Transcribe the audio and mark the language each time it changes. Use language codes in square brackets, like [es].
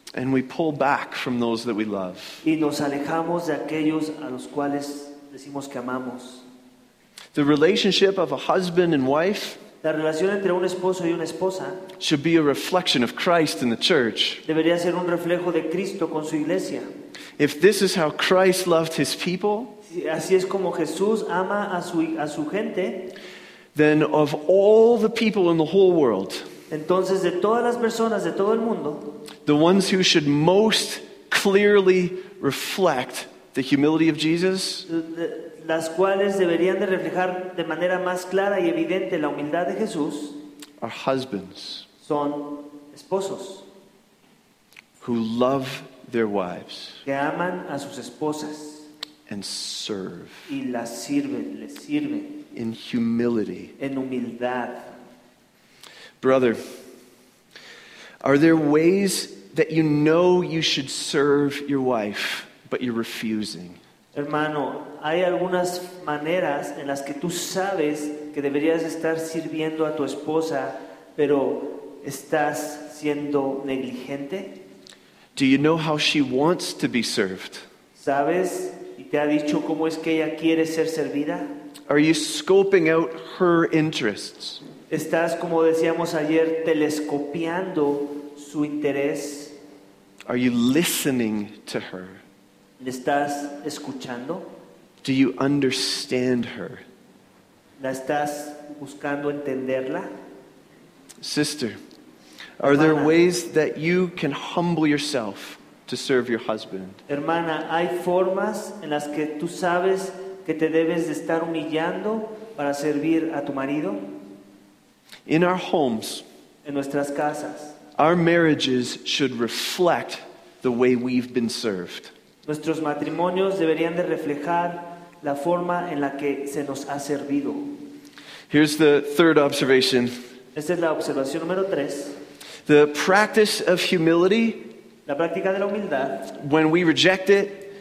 [en] And we pull back from those that we love. [es] Y nos alejamos de aquellos a los cuales decimos que amamos. [en] The relationship of a husband and wife, [es] la relación entre un esposo y una esposa, [en] should be a reflection of Christ in the church. [es] Debería ser un reflejo de Cristo con su iglesia. [en] If this is how Christ loved his people, [es] si así es como Jesús ama a su gente, [en] then of all the people in the whole world, [es] entonces de todas las personas de todo el mundo, [en] the ones who should most clearly reflect the humility of Jesus, [es] las cuales deberían de reflejar de manera más clara y evidente la humildad de Jesús, [en] are husbands, [es] son esposos, [en] who love their wives, [es] que aman a sus esposas, [en] and serve, [es] y las sirven, les sirven, [en] in humility, [es] en humildad. [en] Brother, are there ways that you know you should serve your wife, but you're refusing? [es] Hermano, hay algunas maneras en las que tú sabes que deberías estar sirviendo a tu esposa, pero estás siendo negligente. [en] Do you know how she wants to be served? [es] ¿Sabes y te ha dicho cómo es que ella quiere ser servida? [en] Are you scoping out her interests? [es] ¿Estás, como decíamos ayer, telescopiando su interés? [en] Are you listening to her? [es] ¿Le estás escuchando? [en] Do you understand her? [es] ¿La estás buscando entenderla? [en] Sister, hermana, are there ways that you can humble yourself to serve your husband? [es] Hermana, ¿hay formas en las que tú sabes que te debes de estar humillando para servir a tu marido? [en] In our homes, [es] en nuestras casas, [en] our marriages should reflect the way we've been served. [es] Nuestros matrimonios deberían de reflejar la forma en la que se nos ha servido. [en] Here's the third observation. [es] Esta es la observación número tres. [en] The practice of humility, [es] la práctica de la humildad, [en] when we reject it,